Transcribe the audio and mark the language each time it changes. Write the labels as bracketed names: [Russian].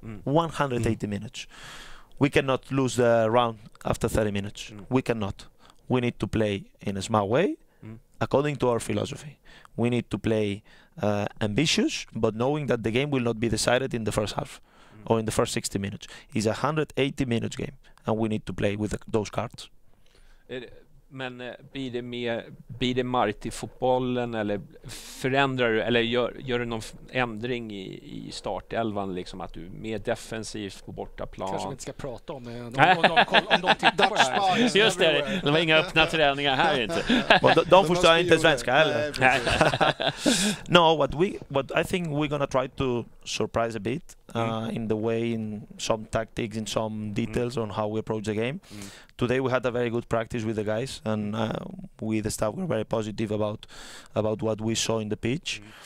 [English] 180 minutes. We cannot lose the round after 30 minutes. We cannot. We need to play in a smart way, according to our philosophy. We need to play ambitious, but knowing that the game will not be decided in the first half or in the first 60 minutes. It's a 180-minute game, and we need to play with those cards. [Swedish] Men blir det mer, blir det Marti fotbollen eller förändrar du, eller gör du någon ändring i startelvan, liksom att du är mer defensivt på bortaplan? Kanske vi inte ska prata om det. Om de just det, det var inga öppna träningar här inte. De förstår inte svenska heller. [English] No, what I think we're gonna try to surprise a bit in the way, in some tactics, in some details on how we approach the game. Today we had a very good practice with the guys, and we, the staff, were very positive about what we saw in the pitch.